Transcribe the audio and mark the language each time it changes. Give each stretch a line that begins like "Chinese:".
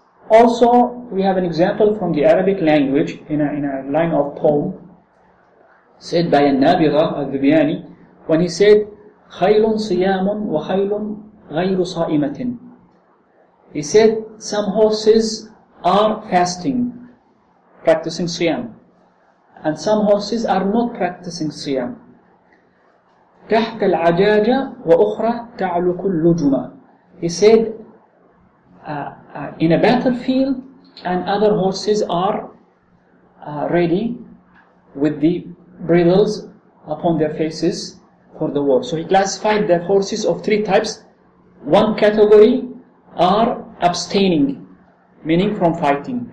English: Also, we have an example from the Arabic language in a line of poem said by an-nabigha al-dibyani, when he said,
Arabic: خَيْلٌ صِيَامٌ وَخَيْلٌ غَيْرُ صَائِمَةٍ.
English: He said, some horses are fasting, practicing siyam, and some horses are not practicing siyam.
Arabic: تحت العجاجة وأخرى تعلق اللجمة.
English: He said, in a battlefield, and other horses are ready with the bridles upon their faces for the war. So he classified the horses of three types. One category are abstaining, meaning from fighting.